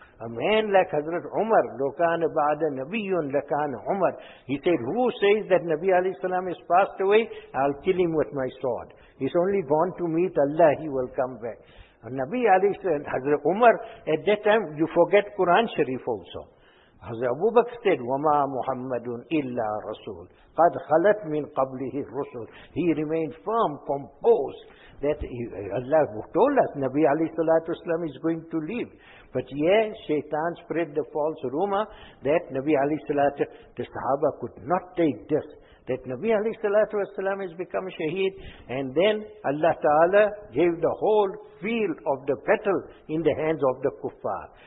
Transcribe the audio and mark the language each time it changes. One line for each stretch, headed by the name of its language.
English: A man like Hazrat Umar,
Arabic: Lokana Ba'da Nabiyun Lakana Umar.
English: He said, who says that Nabi alayhi salam has passed away? I'll kill him with my sword. He's only born to meet Allah, he will come back. Nabi Ali said, Hazrat Umar, at that time, you forget Quran Sharif also.
Arabic: حضرت ابو بکر said وما محمد الا رسول قد خلت من قبله الرسل.
English: He remained firm, composed, that Allah told us Nabi alayhi salatu wasalam is going to leave. But yeah, shaitan spread the false rumor that Nabi alayhi salatu, the sahaba could not take this, that Nabi alayhi salatu wasalam has become shaheed, and then Allah ta'ala gave the whole field of the battle in the hands of the kuffar.